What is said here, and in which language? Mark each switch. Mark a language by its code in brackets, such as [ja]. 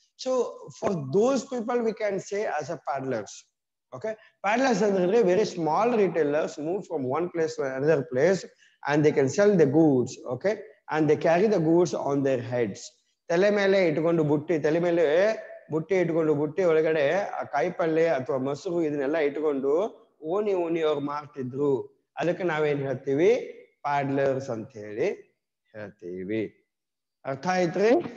[en] So for those people we can say as a peddlers, okay. Peddlers ಅಂದ್ರೆ very small retailers move from one place to another place and they can sell the goods, okay. and they carry the goods on their heads. [kn] ತಲೆ ಮೇಲೆ ಇಟ್ಕೊಂಡು ಬುಟ್ಟಿ, ತಲೆ ಮೇಲೆ ಬುಟ್ಟಿ ಇಟ್ಕೊಂಡು ಬುಟ್ಟಿ ಒಳಗಡೆ ಆ ಕಾಯಿಪಲ್ಲೆ ಅಥವಾ ಮೊಸರು ಇದನ್ನೆಲ್ಲ ಇಟ್ಕೊಂಡು ಓನಿ ಓನಿ ಅವ್ರು ಮಾರ್ತಿದ್ರು. ಅದಕ್ಕೆ ನಾವೇನ್ ಹೇಳ್ತೀವಿ? ಪ್ಯಾಡ್ಲರ್ಸ್ ಅಂತ ಹೇಳಿ ಹೇಳ್ತೀವಿ. ಅರ್ಥ ಆಯ್ತ್ರಿ?